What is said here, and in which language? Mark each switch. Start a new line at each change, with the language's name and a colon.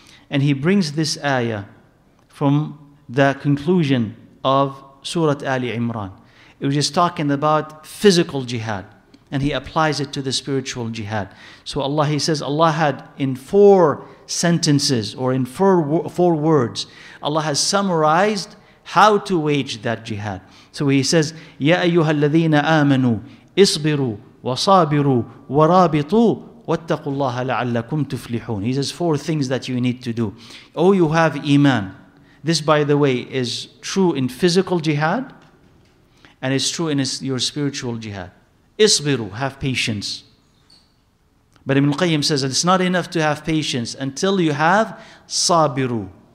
English: And he brings this ayah from the conclusion of Surah Ali Imran. It was just talking about physical jihad, and he applies it to the spiritual jihad. So Allah, he says, Allah had in four sentences, or in four words, Allah has summarized how to wage that jihad. So he says,
Arabic: يَا أَيُّهَا الَّذِينَ آمَنُوا إِصْبِرُوا وَصَابِرُوا وَرَابِطُوا وَاتَّقُوا اللَّهَ لَعَلَّكُمْ تُفْلِحُونَ.
English: He says four things that you need to do. Oh, you have iman. This, by the way, is true in physical jihad, and it's true in your spiritual jihad. Isbiru, have patience. But Ibn Qayyim says that it's not enough to have patience until you have sabiru.